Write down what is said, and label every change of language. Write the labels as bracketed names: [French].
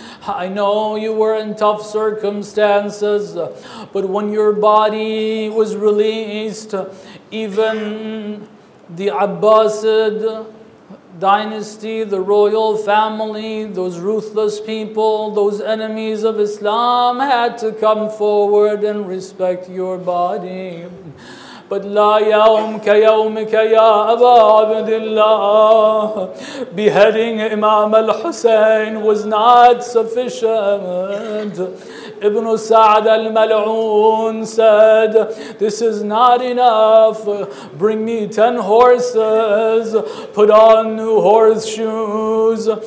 [English] I know you were in tough circumstances, but when your body was released, even the Abbasid dynasty, the royal family, those ruthless people, those enemies of Islam had to come forward and respect your body. [Arabic] But لا يوم كيومك يا أبا عبد الله. [English] Beheading Imam al-Hussein was not sufficient. Ibn Sa'd al-Mal'un said, this is not enough. Bring me 10 horses. Put on new horseshoes.